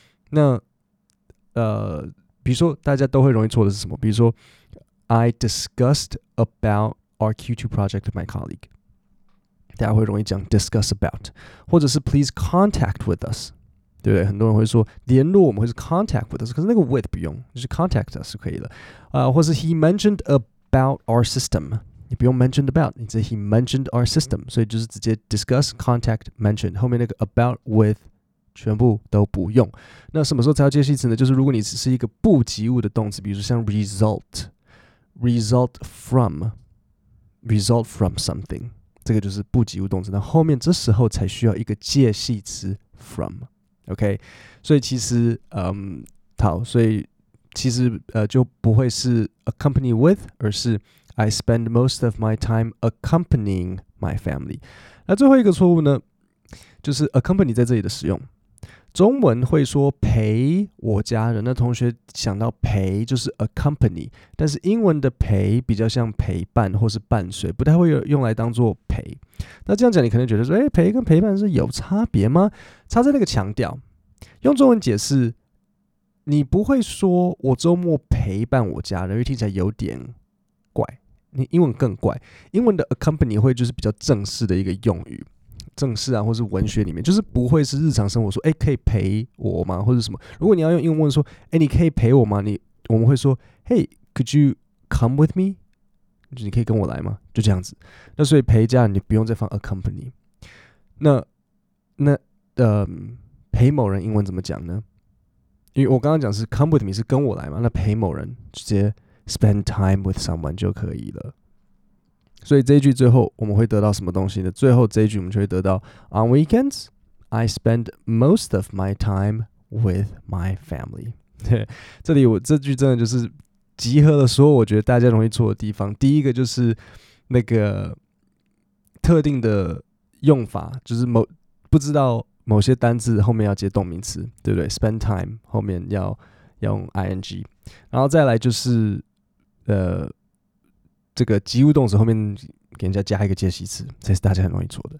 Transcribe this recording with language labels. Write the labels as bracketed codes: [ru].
[zh] 那比如说大家都会容易错的是什么，比如说 [en] I discussed about our Q2 project with my colleague， [zh] 大家会容易讲 [en] discuss about， [zh] 或者是 [en] please contact with us， [zh] 对不对？很多人会说联络我们，会是 [en] contact with us， [zh] 可是那个 with 不用，就是 [en] contact us [zh] 可以了。或是 [en] he mentioned about our system， [zh] 你不用 [en] mentioned about， [zh] 你说 [en] he mentioned our system， [zh] 所以就是直接 [en] discuss contact mention， [zh] 后面那个 [en] about with [zh] 全部都不用。那什么时候才要介系词呢？就是如果你只是一个不及物的动词，比如说像 result， [en] result from， result from something， [zh] 这个就是不及物动词，那后面这时候才需要一个介系词 from。 [en] OK， [zh] 所以其实好，所以其实就不会是 [en] accompany with， [zh] 而是 [en] I spend most of my time accompanying my family。 [zh] 那最后一个错误呢，就是 accompany 在这里的使用，中文会说陪我家人，那同学想到陪就是 accompany， 但是英文的陪比较像陪伴或是伴随，不太会用来当做陪。那这样讲你可能觉得说，欸，陪跟陪伴是有差别吗？差在那个强调，用中文解释你不会说我周末陪伴我家人，因为听起来有点怪，你英文更怪。英文的 accompany 会就是比较正式的一个用语，正式啊或是文学里面，就是不会是日常生活说，欸，可以陪我吗或是什么。如果你要用英文问说，欸，你可以陪我吗，你我们会说 [en] Hey could you come with me， [zh] 就你可以跟我来吗，就这样子。那所以陪家人你不用再放 accompany。那陪某人英文怎么讲呢？因为我刚刚讲是 [en] come with me [zh] 是跟我来嘛，那陪某人直接 [en] spend time with someone [zh] 就可以了。所以这一句最后我们会得到什么东西呢？最后这一句我们就会得到 [en] On weekends I spend most of my time with my family。 [zh] 对，这里我这句真的就是集合了所有我觉得大家容易错的地方。第一个就是那个特定的用法，就是不知道某些单字后面要接动名词，对不对？ [en] Spend time [zh] 后面要用 ing， 然后再来就是这个及物动词后面给人家加一个介系词，这是大家很容易错的。